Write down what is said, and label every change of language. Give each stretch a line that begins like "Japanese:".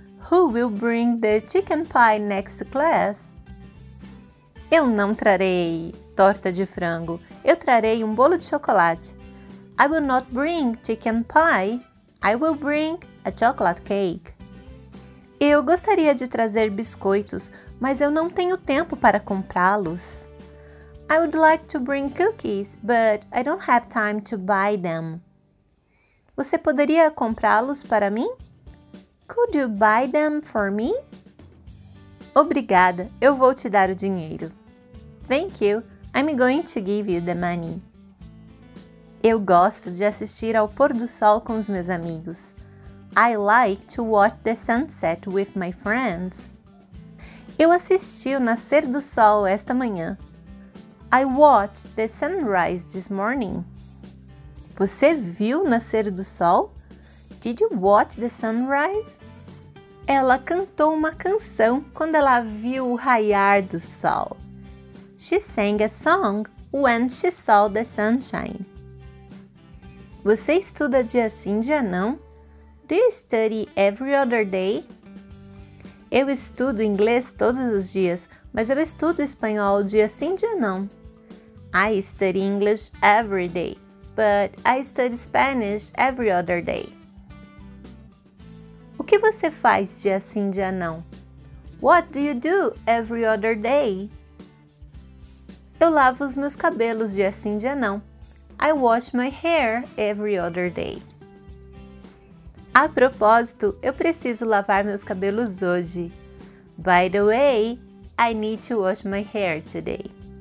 English: Who will bring the chicken pie next class?
Portuguese: Eu não trarei torta de frango. Eu trarei um bolo de chocolate.
English: I will not bring chicken pie. I will bring a chocolate cake.
Portuguese: Eu gostaria de trazer biscoitos, mas eu não tenho tempo para comprá-los.
English: I would like to bring cookies, but I don't have time to buy them.
Portuguese: Você poderia comprá-los para mim?
English: Could you buy them for me?
Portuguese: Obrigada, eu vou te dar o dinheiro.
English: Thank you, I'm going to give you the money.
Portuguese: Eu gosto de assistir ao pôr do sol com os meus amigos.
English: I like to watch the sunset with my friends.
Portuguese: Eu assisti o nascer do sol esta manhã.
English: I watched the sunrise this morning.
Portuguese: Você viu o nascer do sol?
English: Did you watch the sunrise?
Portuguese: Ela cantou uma canção quando ela viu o raiar do sol.
English: She sang a song when she saw the sunshine.
Portuguese: Você estuda dia sim, dia não?
English: Do you study every other day?
Portuguese: Eu estudo inglês todos os dias, mas eu estudo espanhol dia sim, dia não.
English: I study English every day, but I study Spanish every other day.
Portuguese: O que você faz dia sim, dia não?
English: What do you do every other day?
Portuguese: Eu lavo os meus cabelos dia sim, dia não.
English: I wash my hair every other day.
Portuguese: A propósito, eu preciso lavar meus cabelos hoje.
English: By the way, I need to wash my hair today.